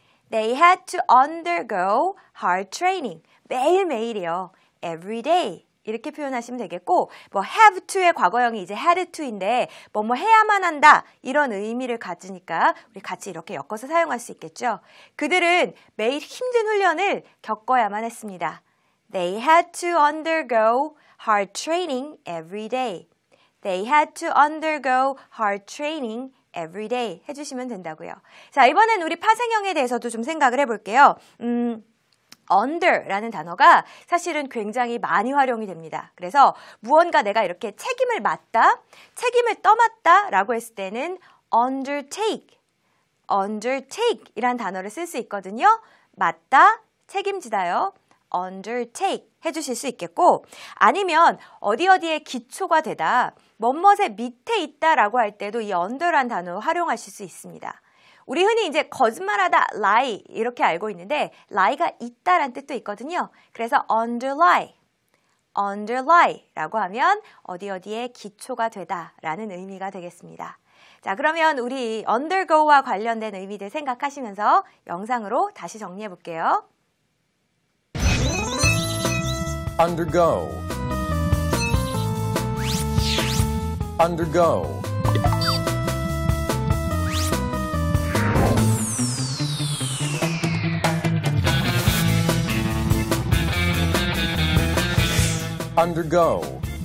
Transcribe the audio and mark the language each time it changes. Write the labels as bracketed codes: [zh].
[en] They had to undergo hard training. [ko] 매일매일이요. [en] Every day. [ko] 이렇게 표현하시면 되겠고 뭐 have to의 과거형이 이제 had to인데 뭐뭐 해야만 한다 이런 의미를 가지니까 우리 같이 이렇게 엮어서 사용할 수 있겠죠. 그들은 매일 힘든 훈련을 겪어야만 했습니다. [en] They had to undergo hard training every day. They had to undergo hard training every day [ko] 해주시면 된다고요. 자, 이번엔 우리 파생형에 대해서도 좀 생각을 해볼게요. under라는 단어가 사실은 굉장히 많이 활용이 됩니다. 그래서 무언가 내가 이렇게 책임을 맡다, 책임을 떠맡다 라고 했을 때는 undertake, undertake 이란 단어를 쓸 수 있거든요. 맡다, 책임지다요. undertake 해주실 수 있겠고 아니면 어디 어디에 기초가 되다, 뭣뭣의 밑에 있다 라고 할 때도 이 under란 단어 활용하실 수 있습니다. 우리 흔히 이제 거짓말하다, lie 이렇게 알고 있는데 lie가 있다란 뜻도 있거든요. 그래서 underlie, underlie라고 하면 어디 어디에 기초가 되다라는 의미가 되겠습니다. 자, 그러면 우리 undergo와 관련된 의미들 생각하시면서 영상으로 다시 정리해 볼게요. [en] undergo undergo undergo